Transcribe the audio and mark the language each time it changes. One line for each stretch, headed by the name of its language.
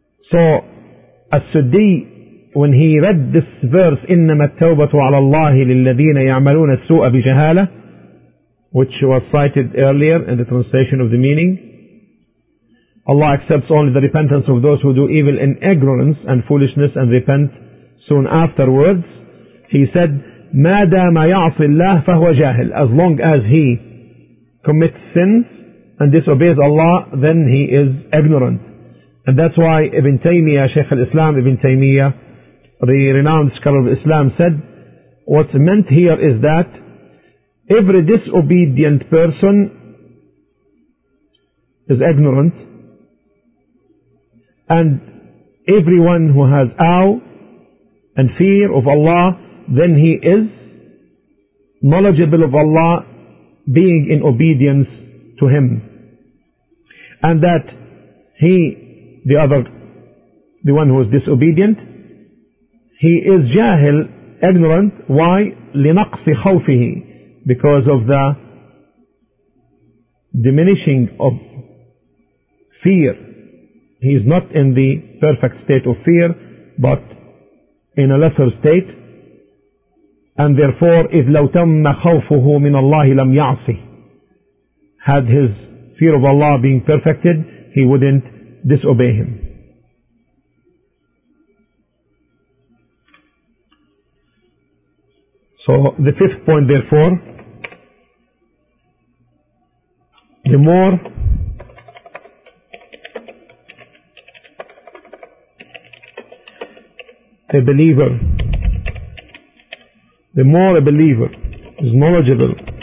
English: So, As-Suddi, when he read this verse,
Arabic: إِنَّمَا التَّوْبَةُ عَلَى اللَّهِ لِلَّذِينَ يَعْمَلُونَ السُّوءَ بِجَهَالَةٍ,
English: which was cited earlier in the translation of the meaning, Allah accepts only the repentance of those who do evil in ignorance and foolishness and repent soon afterwards. He said,
Arabic: مَا دَامَ يَعْصِ اللَّهِ فَهُوَ جَاهِلٌ.
English: As long as he commits sins and disobeys Allah, then he is ignorant. And that's why Ibn Taymiyyah, Shaykh al-Islam Ibn Taymiyyah, the renowned scholar of Islam, said, what's meant here is that every disobedient person is ignorant, and everyone who has awe and fear of Allah, then he is knowledgeable of Allah, being in obedience to Him. And that he, the other, the one who is disobedient, he is jahil, ignorant. Why?
Arabic: لِنَقْصِ خَوْفِهِ,
English: because of the diminishing of fear. He is not in the perfect state of fear, but in a lesser state. And therefore,
Arabic: إِذْ لَوْ تَمَّ خَوْفُهُ مِنَ اللَّهِ لَمْ يَعْصِ.
English: Had his fear of Allah being perfected, he wouldn't disobey Him. So, the fifth point, therefore, the more a believer, the more a believer is knowledgeable